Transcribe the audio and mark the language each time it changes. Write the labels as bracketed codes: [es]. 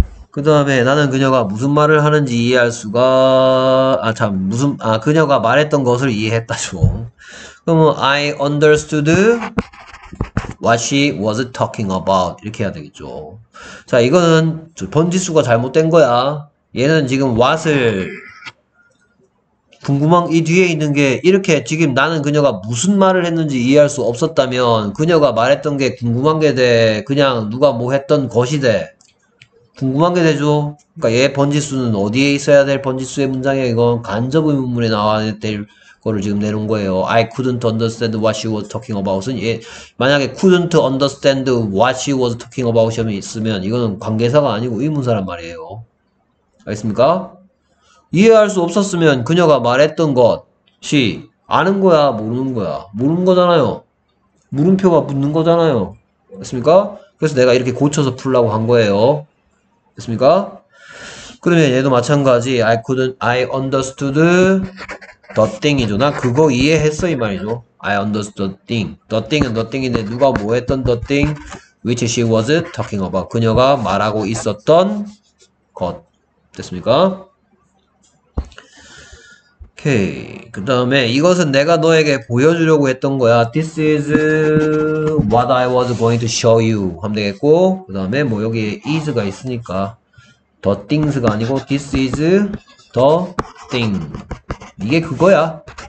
[ko] 그 다음에 나는 그녀가 무슨 말을 하는지 이해할 수가, 아, 참, 무슨, 아, 그녀가 말했던 것을 이해했다죠. 그러면 [en] I understood what she was talking about. [ko] 이렇게 해야 되겠죠. 자, 이거는 번지수가 잘못된 거야. 얘는 지금 what을 궁금한 이 뒤에 있는 게 이렇게 지금 나는 그녀가 무슨 말을 했는지 이해할 수 없었다면 그녀가 말했던 게 궁금한 게 돼. 그냥 누가 뭐 했던 것이 돼. 궁금한 게 되죠. 그러니까 얘 번지수는 어디에 있어야 될 번지수의 문장이야. 이건 간접 의문문에 나와야 될 거를 지금 내놓은 거예요. [en] I couldn't understand what she was talking about은 [ko] 얘 만약에 [en] couldn't understand what she was talking about이 [ko] 있으면 이거는 관계사가 아니고 의문사란 말이에요. 알겠습니까? 이해할 수 없었으면 그녀가 말했던 것이 아는 거야, 모르는 거야. 모르는 거잖아요. 물음표가 붙는 거잖아요. 알겠습니까? 그래서 내가 이렇게 고쳐서 풀라고 한 거예요. 알겠습니까? 그러면 얘도 마찬가지. [en] I understood the thing [ko] 이죠. 나 그거 이해했어 이 말이죠. [en] I understood the thing. The thing은 the thing인데 [ko] 누가 뭐 했던 [en] the thing which she was talking about. [ko] 그녀가 말하고 있었던 것. 됐습니까? 오케이. 그 다음에 이것은 내가 너에게 보여주려고 했던 거야. [en] This is what I was going to show you [ko] 하면 되겠고, 그 다음에 뭐 여기에 [en] is가 있으니까 the things가 아니고 this is the thing. [ko] 이게 그거야.